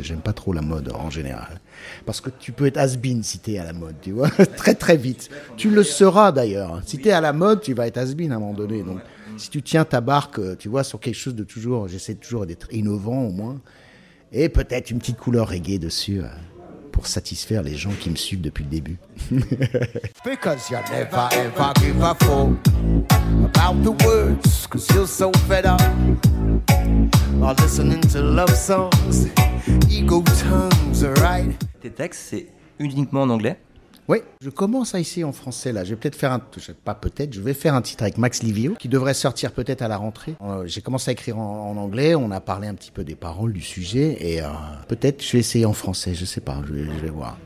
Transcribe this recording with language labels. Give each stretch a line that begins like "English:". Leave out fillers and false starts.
French: J'aime pas trop la mode en général. Parce que tu peux être has-been si t'es à la mode, tu vois, très très vite. Tu le seras d'ailleurs. Si t'es à la mode, tu vas être has-been à un moment donné. Donc, si tu tiens ta barque, tu vois, sur quelque chose de toujours, j'essaie toujours d'être innovant au moins. Et peut-être une petite couleur reggae dessus pour satisfaire les gens qui me suivent depuis le début.
English: Because you never ever give a fuck about the words, cause you're so fed up. While listening to love songs, ego tongues, right?
French: Tes textes, c'est uniquement en anglais? Oui, je commence à essayer en français là. Je vais peut-être faire un. Pas peut-être, je vais faire un titre avec Max Livio qui devrait sortir peut-être à la rentrée. J'ai commencé à écrire en anglais, on a parlé un petit peu des paroles, du sujet et peut-être je vais essayer en français, je sais pas, je vais voir.